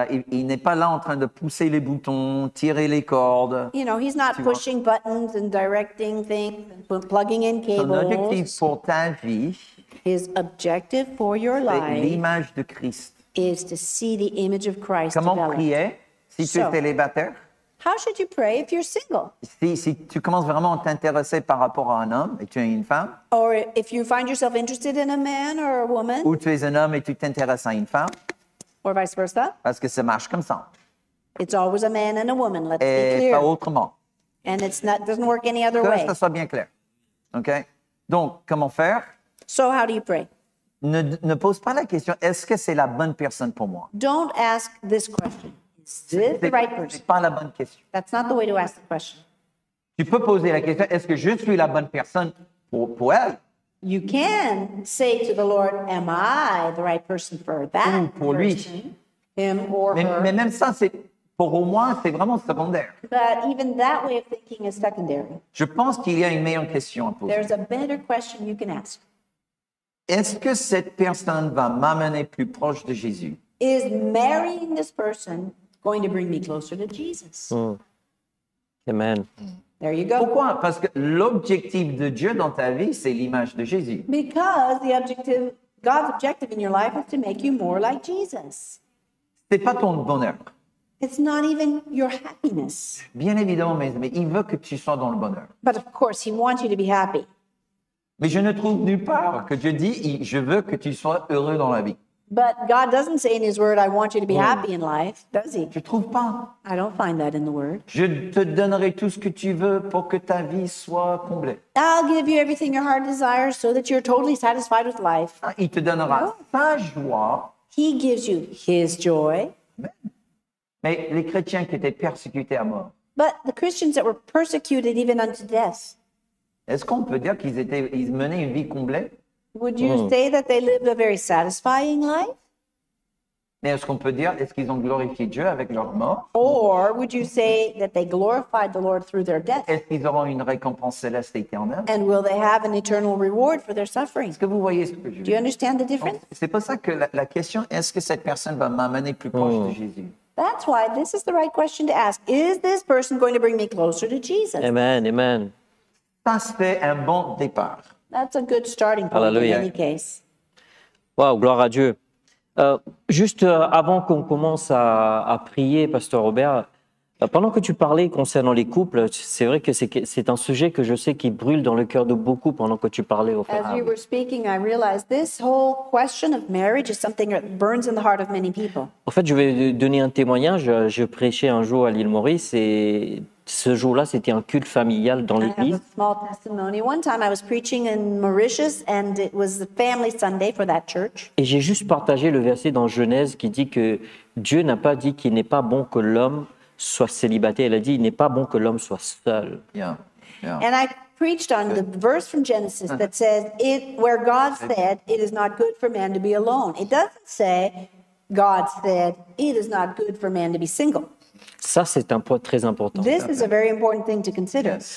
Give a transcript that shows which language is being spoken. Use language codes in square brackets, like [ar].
[fr] Il n'est pas là en train de pousser les boutons, tirer les cordes. [en] You know, he's not pushing buttons and directing things, plugging in cables. [fr] Son objectif pour ta vie, [en] his objective for your life, [fr] c'est l'image de Christ. [en] Is to see the image of Christ. [fr] Comment [en] develop. [fr] Prier si tu es célibataire? [en] How should you pray if you're single? [fr] Si tu commences vraiment à t'intéresser par rapport à un homme et tu es une femme. [en] Or if you find yourself interested in a man or a woman. [fr] Ou tu es un homme et tu t'intéresses à une femme. [en] Or vice versa. [fr] Parce que ça marche comme ça. [en] It's always a man and a woman, let's [fr] et [en] be clear. [fr] Et pas autrement. [en] And it's not, doesn't work any other [fr] que [en] way. [fr] Que ça soit bien clair. OK? Donc, comment faire? [en] So how do you pray? [fr] Ne pose pas la question, est-ce que c'est la bonne personne pour moi? [en] Don't ask this question. [fr] C'est [en] right person. [fr] Pas la bonne question. [en] That's not the way to ask the question. [fr] Tu peux poser la question, est-ce que je suis la bonne personne pour elle? [en] You can say to the Lord, am I the right person for that [fr] ou pour [en] person? [fr] Lui. [en] Him or [fr] mais, [en] her. [fr] Mais même ça, c'est, pour au moins, c'est vraiment secondaire. [en] But even that way of thinking is secondary. [fr] Je pense qu'il y a une meilleure question à poser. [en] There's a better question you can ask. [fr] Est-ce que cette personne va m'amener plus proche de Jésus? [en] Is marrying this person going to bring me closer to Jesus? Mm. Amen. There you go. [fr] Pourquoi? Parce que l'objectif de Dieu dans ta vie, c'est l'image de Jésus. [en] Because the objective, God's objective in your life is to make you more like Jesus. [fr] C'est pas ton bonheur. [en] It's not even your happiness. [fr] Bien évidemment, mais il veut que tu sois dans le bonheur. [en] But of course, he wants you to be happy. [fr] Mais je ne trouve nulle part que Dieu dit, je veux que tu sois heureux dans la vie. [en] But God doesn't say in his word, I want you to be happy in life, does he? [fr] Je trouve pas. [en] I don't find that in the word. [fr] Je te donnerai tout ce que tu veux pour que ta vie soit comblée. [en] I'll give you everything your heart desires so that you're totally satisfied with life. [fr] Il te donnera sa joie. [en] He gives you his joy. [fr] Mais les chrétiens qui étaient persécutés à mort. [en] But the Christians that were persecuted even unto death. [fr] Est-ce qu'on peut dire qu'ils étaient, ils menaient une vie comblée? [en] Would you say that they lived a very satisfying life? [fr] Mais est-ce qu'on peut dire, est-ce qu'ils ont glorifié Dieu avec leur mort? [en] Or would you say that they glorified the Lord through their death? [fr] Est-ce qu'ils auront une récompense céleste éternelle? [en] And will they have an eternal reward for their suffering? [fr] Est-ce que vous voyez ce que je veux dire? [en] Do you understand the difference? [fr] C'est pas ça que la question, est-ce que cette personne va m'amener plus proche de Jésus? [en] That's why this is the right question to ask. Is this person going to bring me closer to Jesus? Amen, amen. [fr] Ça, c'est un bon départ. [en] That's a good starting point. Alleluia. In any case. [fr] Wow, gloire à Dieu. Juste avant qu'on commence à prier, Pasteur Robert, pendant que tu parlais concernant les couples, c'est vrai que c'est un sujet que je sais qui brûle dans le cœur de beaucoup pendant que tu parlais au [en] As you were speaking, I realized this whole question of marriage is something that burns in the heart of many people. [fr] En fait, je vais donner un témoignage. Je prêchais un jour à l'île Maurice et ce jour-là, c'était un culte familial dans l'église. [en] I have a small testimony. One time I was preaching in Mauritius and it was a family Sunday for that church. [fr] Et j'ai juste partagé le verset dans Genèse qui dit que Dieu n'a pas dit qu'il n'est pas bon que l'homme soit célibataire. Elle a dit, il n'est pas bon que l'homme soit seul. [en] Yeah, yeah. And I preached on the verse from Genesis that says, where God said, it is not good for man to be alone. It doesn't say, God said, it is not good for man to be single. [fr] Ça, c'est un point très important. This is a very important thing to consider.